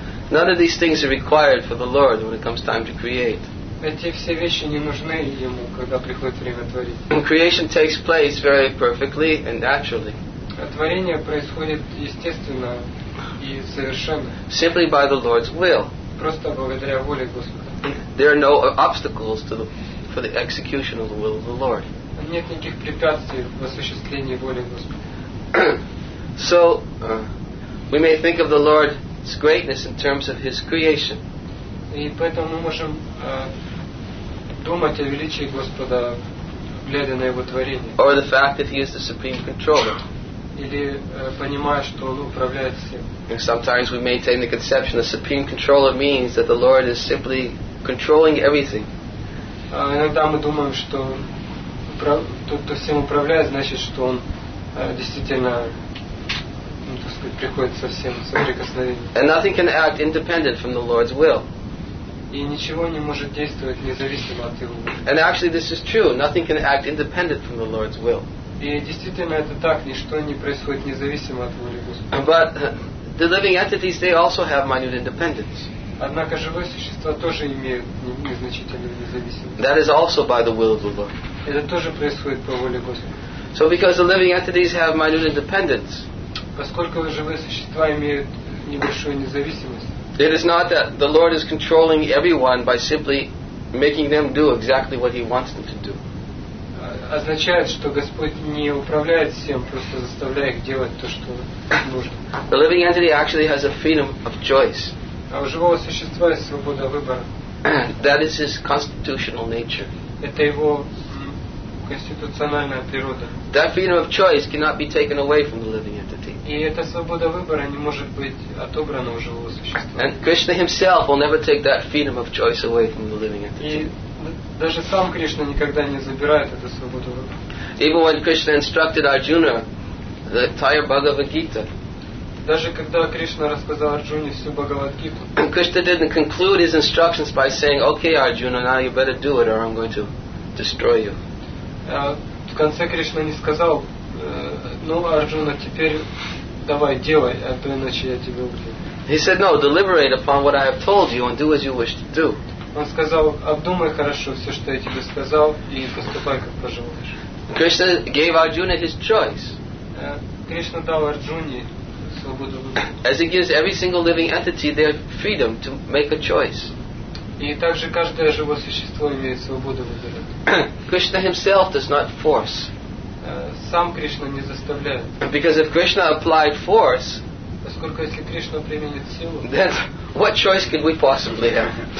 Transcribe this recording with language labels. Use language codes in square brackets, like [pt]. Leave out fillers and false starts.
[en] None of these things are required for the Lord when it comes time to create. [ru] Эти все вещи не нужны ему, когда приходит время творить. [en] Creation takes place very perfectly and naturally. [ru] Творение происходит естественно и совершенно. [en] Simply by the Lord's will. [ru] Просто благодаря воле Господа. [en] There are no obstacles to the, for the execution of the will of the Lord. [ru] Нет никаких препятствий в осуществлении воли Господа. [en] So, we may think of the Lord's greatness in terms of His creation. [ru] И поэтому мы можем думать о величии Господа, глядя на Его творение. [en] Or the fact that He is the supreme controller. [ru] Или понимая, что Он управляет всем. [en] And sometimes we maintain the conception that supreme controller means that the Lord is simply controlling everything. [ru] Иногда мы думаем, что тот, кто всем управляет, значит, что он действительно, так сказать, приходит со всем в соприкосновение. [en] And nothing can act independent from the Lord's will. [ru] И ничего не может действовать независимо от Его воли. [en] And actually this is true. Nothing can act independent from the Lord's will. [ru] И действительно это так. Ничто не происходит независимо от воли Господа. [en] But the living entities, they also have minute independence. [ru] Однако живые существа тоже имеют незначительную независимость. [en] That is also by the will of the Lord. [ru] Это тоже происходит по воле Господа. [en] So because the living entities have minute independence, [ru] поскольку живые существа имеют небольшую независимость, [en] It is not that the Lord is controlling everyone by simply making them do exactly what He wants them to do. [ru] Означает, что Господь не управляет всем, просто заставляя их делать то, что нужно. [en] The living entity actually has a freedom of choice. [ru] А у живого существа есть свобода выбора. [en] That is his constitutional nature. [ru] Это его конституциональная природа. [en] That freedom of choice cannot be taken away from the living entity. [ru] И эта свобода выбора не может быть отобрана у живого существа. [en] And Krishna himself will never take that freedom of choice away from the living entity. [ru] Даже сам Кришна никогда не забирает эту свободу выбора. [en] Even when Krishna instructed Arjuna, the entire Bhagavad Gita. [ru] Даже когда Кришна рассказал Арджуне всю Бхагавад Гиту. [en] Krishna didn't conclude his instructions by saying, "Okay, Arjuna, now you better do it, or I'm going to destroy you." [ru] В конце Кришна не сказал, ну, Арджуна, теперь давай делай, а то иначе я тебя убью. [en] He said, "No, deliberate upon what I have told you and do as you wish to do." [ru] Он сказал, обдумай хорошо все, что я тебе сказал, и поступай, как пожелаешь. [en] Krishna gave Arjuna his choice. [ru] Кришна дал Арджуне свободу выбора. [en] As he gives every single living entity their freedom to make a choice. [ru] И также каждое живое существо имеет свободу выбора. [en] Krishna himself does not force. [ru] Сам Кришна не заставляет. [en] Because if Krishna applied force, [ru] поскольку если Кришна применит силу, [en] then what choice could we possibly have?